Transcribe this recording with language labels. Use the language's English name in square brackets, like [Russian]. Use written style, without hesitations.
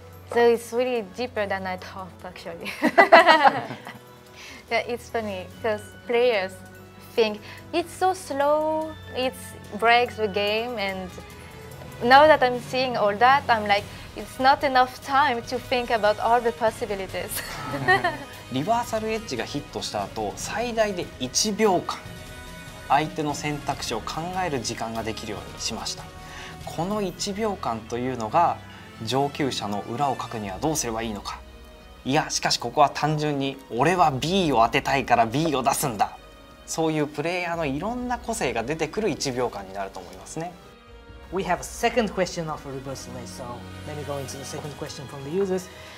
[English] So it's really deeper than I thought, actually. Yeah, it's funny because players think it's so slow, it breaks the game. And now that I'm seeing all that, I'm like, it's not enough time to think about all the possibilities. [Japanese] リバーサルエッジがヒットした後、最大で1秒間相手の選択肢を考える時間ができるようにしました。この1秒間というのが上級者の裏をかくにはどうすればいいのか。いや、しかしここは単純に俺は B を当てたいから B を出すんだ。そういうプレイヤーのいろんな個性が出てくる1秒間になると思いますね。 [English] We have a second question of reverse race, so let me go into the second question from the users.